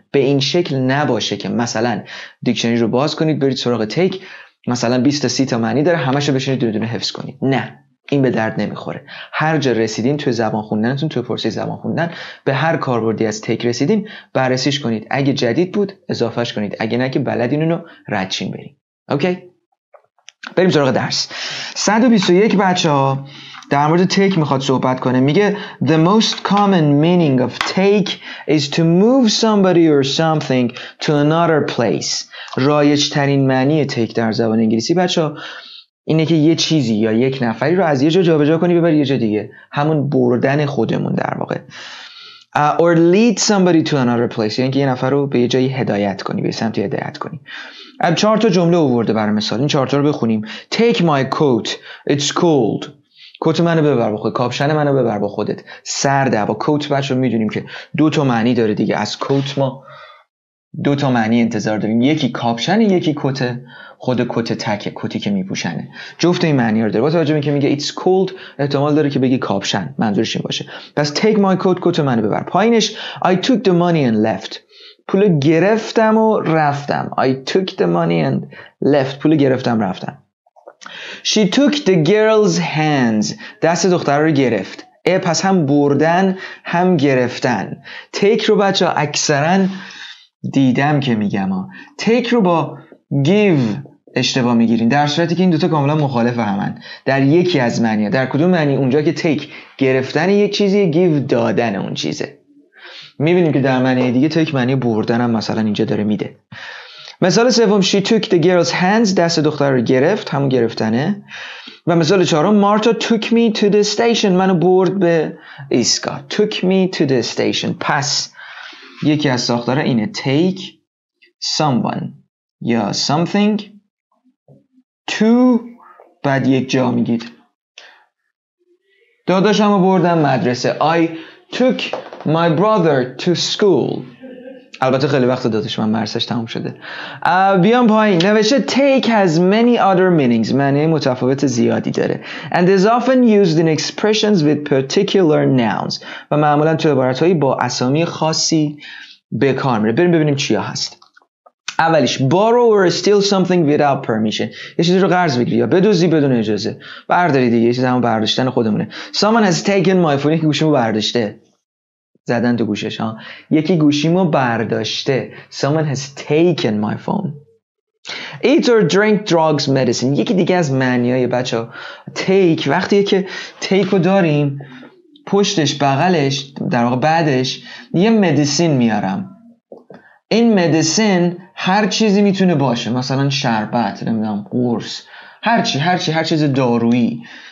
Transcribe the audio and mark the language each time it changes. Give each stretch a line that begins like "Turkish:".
Persian: به این شکل نباشه که مثلا دیکشنری رو باز کنید برید سراغ take، مثلا 20 تا 30 تا معنی داره، همشو بشینید دونه دونه حفظ کنید. نه، این به درد نمیخوره. هر جا رسیدین توی زبان خوندنتون، توی پروسه زبان خوندن به هر کاربردی از تک رسیدین بررسیش کنید، اگه جدید بود اضافهش کنید، اگه نه که بلدین اونو ردشین برید. اوکی، بریم سراغ درس 121. بچه ها در مورد تک میخواد صحبت کنه، میگه
English: The most common meaning of take is to move somebody or something to another place.
Persian: رایج ترین معنی تک در زبان انگلیسی بچه ها اینه که یه چیزی یا یک نفری رو از یه جا جابجا کنی ببری یه جا دیگه، همون بردن خودمون در واقع.
English: Or lead somebody to another place،
Persian: یعنی که یه نفر رو به یه جایی هدایت کنی، به سمتی هدایت کنی. 4 تا جمله آورده برای مثال، این 4 تا رو بخونیم.
English: Take my coat، it's cold.
Persian: کت منو ببر با خودت، کاپشن منو ببر با خودت، سرده. با کت بچه رو میدونیم که دو تا معنی داره دیگه، از کت ما دو تا معنی انتظار داریم، یکی کاپشن یکی کت، خود کت تکه، کتی که میپوشنه، جفت این معنی رو داره. با توجه به اینکه میگه
English: it's cold
Persian: احتمال داره که بگی کاپشن، منظورش این باشه. پس
English: take my coat،
Persian: کت منو ببر.
English: پایینش I took the money and left،
Persian: پول گرفتم و رفتم.
English: I took the money and left،
Persian: پول گرفتم رفتم.
English: She took the girl's hands،
Persian: دست دختر رو گرفت. پس هم بردن هم گرفتن. take رو بچه ها اکثرا دیدم که میگم ها take رو با give اشتباه میگیرین، در صورتی که این دوتا کاملا مخالف همن. در یکی از معنی ها، در کدوم معنی؟ اونجا که take گرفتن یک چیزیه، give دادن اون چیزه. میبینیم که در معنی دیگه take معنی بردن هم مثلا اینجا داره میده. مثال سوم
English: she took the girl's hands،
Persian: دست دختر رو گرفت، همون گرفتنه. و مثال چهارم
English: Martha took me to the station،
Persian: منو برد به ایسکا.
English: took me to the station،
Persian: پس یکی از ساختارها اینه
English: take someone یا something to،
Persian: بعد یک جا میگید داداشمو بردم مدرسه.
English: I took my brother to school.
Persian: البته خیلی وقت دادش من مرسش تموم شده. بیام پایین.
English: نوشته take has many other meanings.
Persian: معنی متفاوت زیادی داره.
English: And is often used in expressions with particular nouns.
Persian: و معمولا توی عبارتهایی با اسامی خاصی به کار میره. بریم ببینیم چیا هست.
English: اولیش borrow or steal something without permission.
Persian: یه چیزی رو قرض بگیری یا بدوزی بدون اجازه. برداری دیگه. یه چیز همون برداشتن خودمونه.
English: Someone has taken my phone.
Persian: یکی گوشیمو برداشته. زدن تو گوشش ها. یکی گوشیمو برداشته.
English: Someone has taken my phone. Eat or drink drugs medicine.
Persian: یکی دیگه از معنی های بچه ها.
English: Take.
Persian: وقتی که take رو داریم پشتش بغلش در واقع بعدش یه مدیسین میارم. این مدیسین هر چیزی میتونه باشه، مثلا شربت، نمیدونم قرص، هر چیز دارویی.